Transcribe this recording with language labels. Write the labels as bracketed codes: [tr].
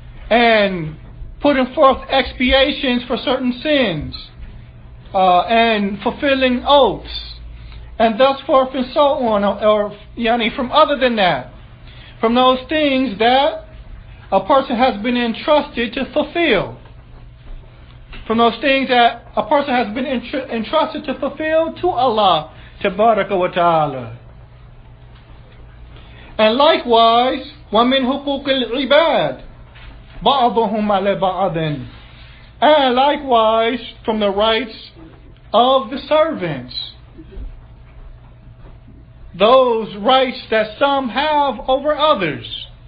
[en] and putting forth expiations for certain sins and fulfilling oaths and thus forth and so on, or from other than that, from those things that a person has been entrusted to fulfill, from those things that a person has been entrusted to fulfill to Allah Tabaraka wa Ta'ala. And likewise, [ar] وَمِنْ حُقُوقِ الْعِبَادِ بَعْضُهُمْ عَلَى بَعْضٍ. [en] And likewise, from the rights of the servants, those rights that some have over others.